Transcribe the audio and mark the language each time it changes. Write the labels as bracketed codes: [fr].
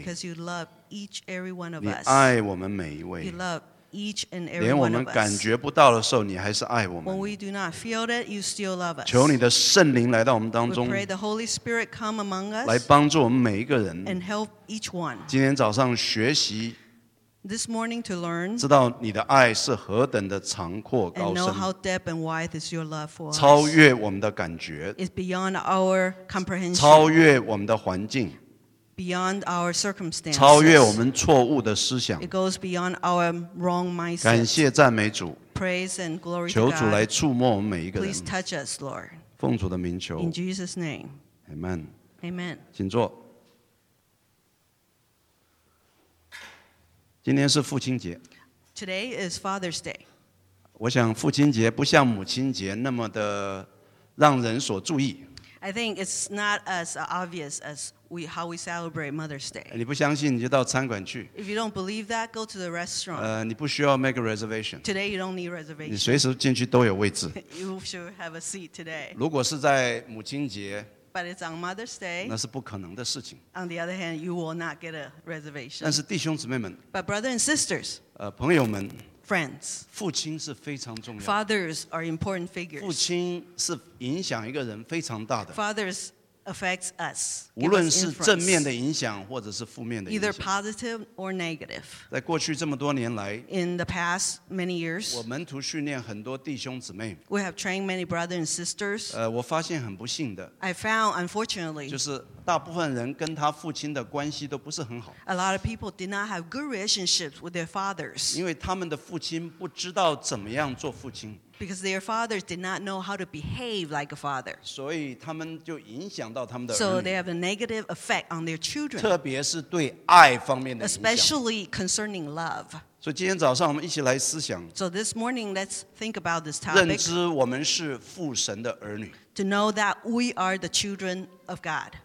[en] Because you love each every one of us. [zh] 你爱我们每一位。 [en] You love each and every one of us. [zh] 连我们感觉不到的时候，你还是爱我们。 [en] When we do not feel it, you still love us. [zh] 求你的圣灵来到我们当中。 [en] We pray the Holy Spirit come among us. [zh] 来帮助我们每一个人。 [en] And help each one. [zh] 今天早上学习。 [en] This morning to learn, [zh] 知道你的爱是何等的长阔高深。 [en] And know how deep and wide is your love for us. [zh] 超越我们的感觉。 [en] It's beyond our comprehension. [zh] 超越我们的环境。 [en] Beyond our circumstances. [zh] 超越我们错误的思想。 [en] It goes beyond our wrong mindset. [zh] 感谢赞美主。 [en] Praise and glory to God. [zh] 求主来触摸我们每一个人。 [en] Please touch us, Lord. [zh] 奉主的名求。 [en] In Jesus' name. Amen. Amen. [zh] 请坐。今天是父亲节。 [en] Today is Father's Day. [zh] 我想父亲节不像母亲节那么的让人所注意。 [en] I think it's not as obvious as how we celebrate Mother's Day. [zh] 你不相信你就到餐馆去。 [en] If you don't believe that, go to the restaurant. [zh] 你不需要 [en] make a reservation. Today you don't need reservation. [zh] 你随时进去都有位置。 [en] You should have a seat today. [zh] 如果是在母亲节。 [en] But it's on Mother's Day. [zh] 那是不可能的事情。 [en] On the other hand, you will not get a reservation. [zh] 但是弟兄姊妹们。 [en] But brothers and sisters. [zh] 朋友们。 [en] Friends. [zh] 父亲是非常重要。 [en] Fathers are important figures. [zh] 父亲是影响一个人非常大的。 [en] Fathers affect us. [zh] 无论是正面的影响或者是负面的影响。 [en] Either positive or negative. [zh] 在过去这么多年来。 [en] In the past many years. [zh] 我门徒训练很多弟兄姊妹。 [en] We have trained many brothers and sisters. [zh] 我发现很不幸的。 [en] I found unfortunately. [zh] 就是大部分人跟他父亲的关系都不是很好。 [en] A lot of people did not have good relationships with their fathers. [zh] 因为他们的父亲不知道怎么样做父亲。 [en] Because their fathers did not know how to behave like a father. So they have a negative effect on their children. [zh] 特别是对爱方面的影 [en] 响。Especially concerning love. [zh] 所以今天早上我们一起来思想。 [en] So this morning, let's think about this topic. [zh] 认知我们是父神的儿女。 [en] To know that we are the children of God.